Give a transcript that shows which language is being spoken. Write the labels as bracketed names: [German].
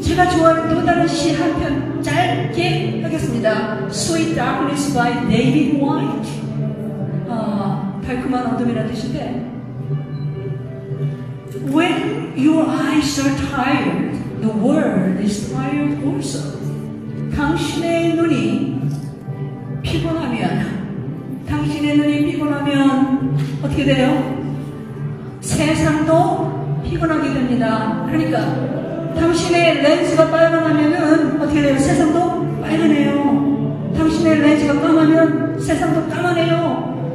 [Korean] 제가 좋아하는 또 다른 시 한 편 짧게 하겠습니다. [English] Sweet Darkness by David White. [Korean] 달콤한 어둠이라는 뜻인데 [English] When your eyes are tired, the world is tired also. [Korean] 당신의 눈이 피곤하면 당신의 눈이 피곤하면 어떻게 돼요? 세상도 피곤하게 됩니다. 그러니까 당신의 렌즈가 빨간하면은 어떻게 돼요? 세상도 빨간해요. 당신의 렌즈가 까만하면 세상도 까만해요.